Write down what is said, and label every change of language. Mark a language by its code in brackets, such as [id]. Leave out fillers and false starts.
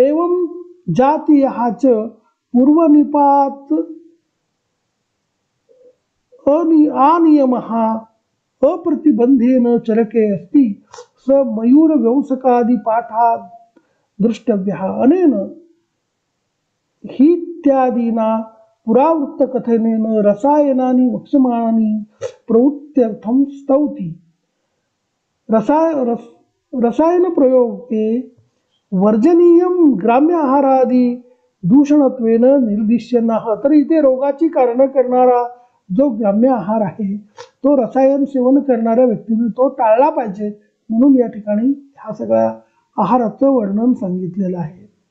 [sa] एवं जातीय हाच पूर्वनिपात अनियम हा अप्रतिबंधेन चरके अस्ति स मयूर व्यंसकादि पाठा दृष्टव्यः। अनेन हित्यादिना पुरावृत्त कथनेन रसायनानि वक्ष्यमाणानि प्रवृत्त्यर्थं स्तौति। रसायन प्रयोग के वर्जनीयम ग्राम्य आहारादि दूषणत्वेन निर्दिश्य नाह। [mr] तर इथे रोगाची कारण करणारा जो ग्राम्य आहार आहे तो रसायन सेवन करणाऱ्या व्यक्तीने तो टाळला पाहिजे म्हणून या ठिकाणी ह्या सगळ्या आहाराचं वर्णन सांगितलेलं आहे।